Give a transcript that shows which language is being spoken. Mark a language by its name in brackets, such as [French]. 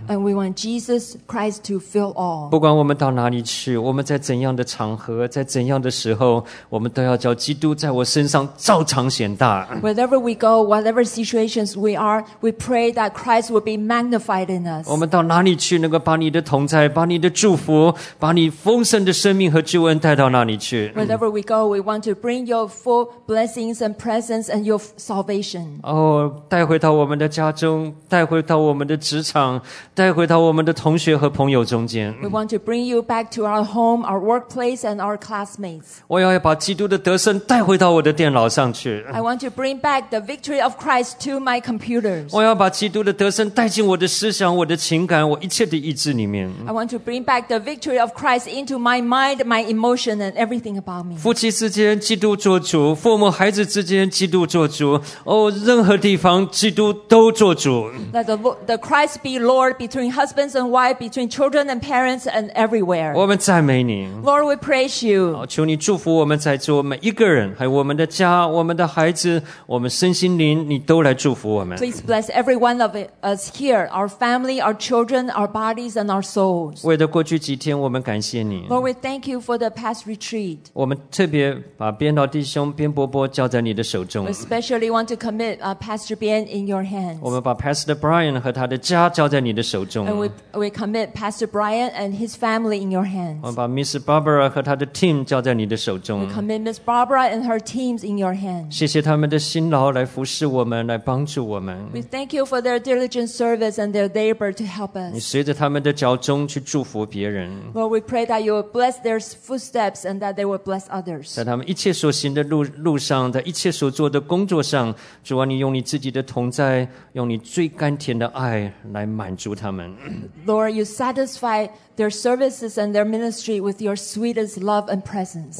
[English] And we want Jesus Christ to fill all. [Chinese] 不管我们到哪里去，我们在怎样的场合，在怎样的时候，我们都要叫基督在我身上照常显大。 [English] Wherever we go, whatever situations we are, we pray that Christ will be magnified in us. [Chinese] 我们到哪里去，能够把你的同在，把你的祝福，把你丰盛的生命和救恩带到那里去。 [English] Wherever we go, we want to bring your full blessings and presence and your salvation. [Chinese] 哦，带回到我们的家中，带回到我们的职场，带回到我们的同学和朋友中间。 [English] We want to bring you back to our home, our workplace, and our classmates. [Chinese] 我要把基督的得胜带回到我的电脑上去。 [English] I want to bring back the victory of Christ to my computers. [Chinese] 我要把基督的得胜带进我的思想、我的情感、我一切的意志里面。 [English] I want to bring back the victory of Christ into my mind, my emotion, and everything about me. [Chinese] 夫妻之间基督做主，父母孩子之间基督做主，哦，任何地方基督都做主。 [English] Let the Christ be Lord between husbands and wives, between children and parents, and everywhere. [Chinese] 我们赞美你。 [English] Lord, we praise you. [Chinese] 求你祝福我们在座每一个人，还有我们的家、我们的孩子、我们身心灵，你都来祝福我们。 [English] Please bless every one of us here, our family, our children, our bodies, and our souls. [Chinese] 为了过去几天，我们感谢你。 [English] Lord, we thank you for the past retreat. [Chinese] 我们特别把边老弟兄边伯伯交在你的手中。 [English] We especially want to commit Pastor Ben in your hands. [Chinese] 我们把 Pastor Brian 和他的家交在你的手中。 [English] And we commit Pastor Brian and his family in your hands. [Chinese] 我们把 Miss Barbara 和他的 team 交在你的手中。 [English] We commit Miss Barbara and her teams in your hands. [Chinese] 谢谢他们的辛劳来服侍我们，来帮助我们。 [English] We thank you for their diligent service and their labor to help us. [Chinese] 你随着他们的脚中去。祝福别人。 [English] Lord, we pray that you will bless their footsteps and that they will bless others. [Chinese] 在他们一切所行的路上，在一切所做的工作上，主啊，你用你自己的同在，用你最甘甜的爱来满足他们。 [English] Lord, you satisfy their services and their ministry with your sweetest love and presence.